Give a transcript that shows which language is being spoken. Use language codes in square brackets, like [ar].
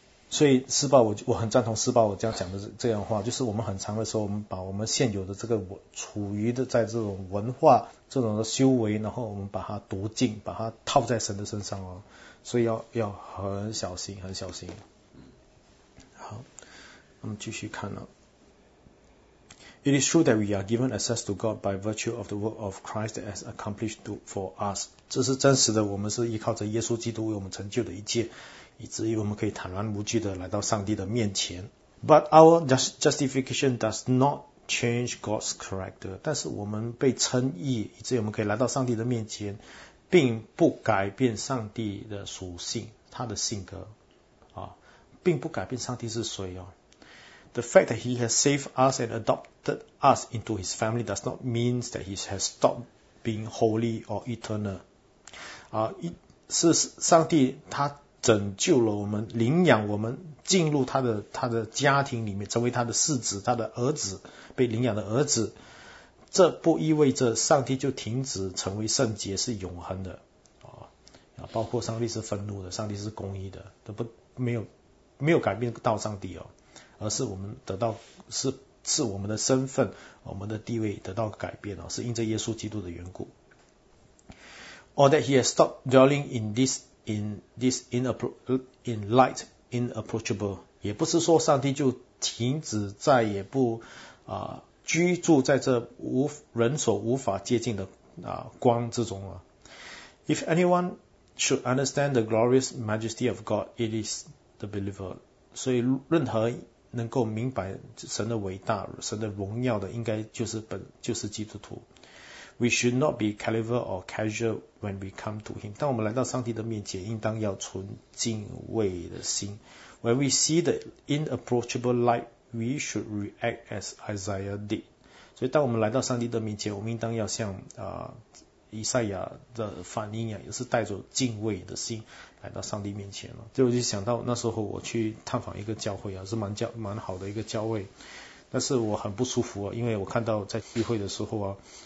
[zh] 所以施暴，我很赞同施暴我这样讲的这样的话，就是我们很长的时候，我们把我们现有的这个处于的在这种文化这种的修为，然后我们把它读进，把它套在神的身上哦，所以要很小心，很小心。好，我们继续看了。 [en] It is true that we are given access to God by virtue of the work of Christ that has accomplished for us. [zh] 这是真实的，我们是依靠着耶稣基督为我们成就的一切。以至于我们可以坦然无惧地来到上帝的面前。 [en] But our justification does not change God's character. [zh] 但是我们被称义，以至于我们可以来到上帝的面前，并不改变上帝的属性，他的性格，啊，并不改变上帝是谁哦。 [en] The fact that he has saved us and adopted us into his family does not mean that he has stopped being holy or eternal. [zh] 啊，是上帝他拯救了我们，领养我们进入他的家庭里面，成为他的世子，他的儿子，被领养的儿子。这不意味着上帝就停止成为圣洁，是永恒的。包括上帝是愤怒的，上帝是公义的，都不没有改变到上帝哦，而是我们得到是我们的身份，我们的地位得到改变哦，是因着耶稣基督的缘故。 [en] Or that he has stopped dwelling in this in light inapproachable， [zh] 也不是说上帝就停止再也不居住在这人所无法接近的光之中啊。 [en] If anyone should understand the glorious majesty of God, it is the believer。 [zh] 所以任何能够明白神的伟大、神的荣耀的，应该就是基督徒。 [en] We should not be clever or casual when we come to Him. [zh] 当我们来到上帝的面前，应当要存敬畏的心。 [en] When we see the inapproachable light, we should react as Isaiah did. [zh] 所以，当我们来到上帝的面前，我们应当要像以赛亚的反应一样，也是带着敬畏的心来到上帝面前了。所以我就想到那时候我去探访一个教会啊，是蛮好的一个教会，但是我很不舒服啊，因为我看到在聚会的时候啊。